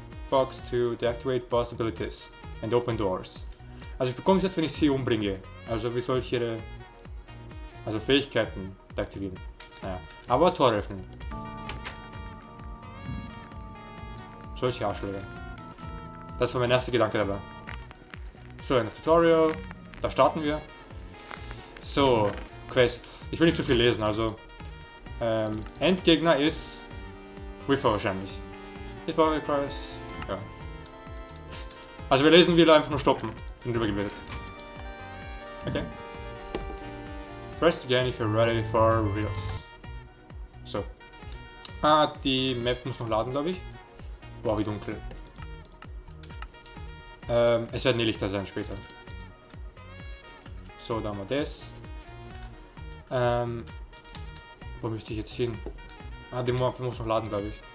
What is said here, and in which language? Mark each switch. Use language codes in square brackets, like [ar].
[en] Box to deactivate boss abilities and open doors. [de] Also ich bekomme es jetzt, wenn ich sie umbringe. Also wie soll ich ihre also Fähigkeiten deaktivieren? Naja. Aber Tor öffnen. Solche Arschlöcher. Das war mein erster Gedanke dabei. So, ein Tutorial. Da starten wir. So, Quest. Ich will nicht zu viel lesen, also Endgegner ist Wither wahrscheinlich. Ich brauche Price. Ja. Also wir lesen wieder einfach nur stoppen und drüber gebildet. Okay. [en] Press again if you're ready for reals. [de] So. Ah, die Map muss noch laden, glaube ich. Boah, wie dunkel. Es werden die Lichter sein später. So, da haben wir das. Wo müsste ich jetzt hin? Ah, die Map muss noch laden, glaube ich.